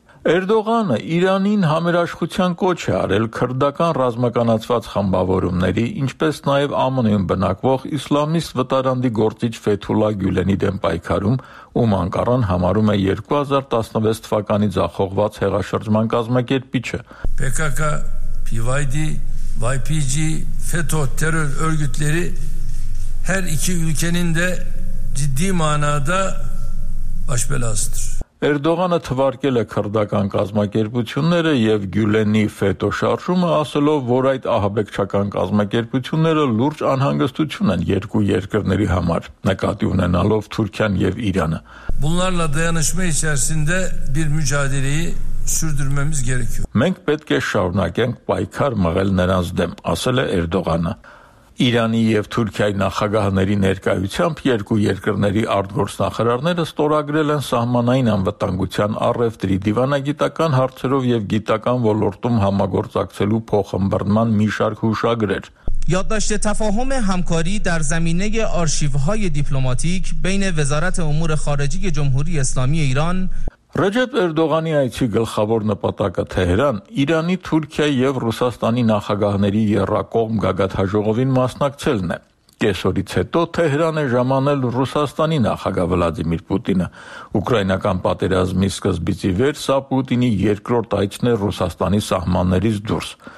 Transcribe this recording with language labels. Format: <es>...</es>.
<hy>Էրդողանը Իրանին համերաշխության կոչ է արել քրդական ռազմականացված խմբավորումների, ինչպես նաեւ ԱՄՆ-ում բնակվող իսլամիստ վտարանդի գործիչ Ֆեթուլա Գյուլենի դեմ պայքարում, ում Անկարան համարում է 2016 թվականի ձախողված հեղաշրջման կազմակերպիչը։</hy> <tr>PKK, PYD, YPG, Fetö terör örgütleri her iki ülkenin de ciddi manada baş belasıdır.</tr> <hy>Էրդողանը թվարկել է քրդական կազմակերպությունները եւ Գյուլենի ֆետո շարժումը, ասելով, որ այդ ահաբեկչական կազմակերպությունները լուրջ անհանգստություն են երկու երկրների համար, նկատի ունենալով Թուրքիան եւ Իրանը։</hy> <tr>Bunlarla dayanışma içerisinde bir mücadeleyi sürdürmemiz gerekiyor.</tr> <hy>Մենք պետք է շարունակենք պայքար մղել նրանց դեմ, ասել է Էրդողանը։ Իրանի եւ Թուրքիայի նախագահների ներկայությամբ երկու երկրների արտգործնախարարները ստորագրել են սահմանային անվտանգության առևտրի, դիվանագիտական հարցերով եւ գիտական ոլորտում համագործակցելու փոխմբռնման մի շարք հուշագրեր։</hy> <fa>Յադաշտե تفاهم همکاری در زمینه آرشیوهای دیپلماتیک بین وزارت امور خارجی جمهوری اسلامی ایران</fa> <hy>Recep Erdoğan'ın այսի գլխավոր նպատակը Թեհրան, Իրանի, Թուրքիայի եւ Ռուսաստանի նախագահների երկկողմ գագաթաժողովին մասնակցելն է։ Կեսօրից հետո Թեհրանը ժամանել Ռուսաստանի նախագահ Վլադիմիր Պուտինը։ Ուկրաինական պատերազմի սկզբից ի վեր սա Պուտինի երկրորդ այցն է Ռուսաստանի սահմաններից դուրս։</hy>